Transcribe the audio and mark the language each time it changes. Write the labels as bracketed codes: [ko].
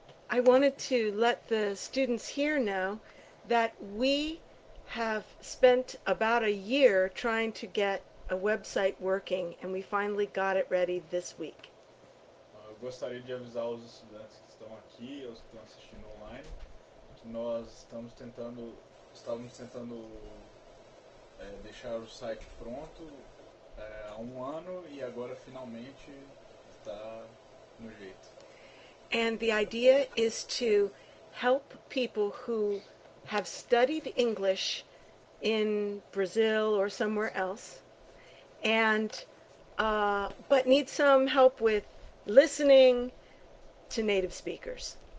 [en] I wanted to let the students here know that we have spent about a year trying to get a website working, and we finally got it ready this week. [pt] Eu gostaria de avisar os estudantes que estão aqui, os que estão assistindo online, que nós estávamos tentando deixar o site pronto há um ano e agora finalmente está no jeito. [en] And the idea is to help people who have studied English in Brazil or somewhere else, and but need some help with listening to native speakers.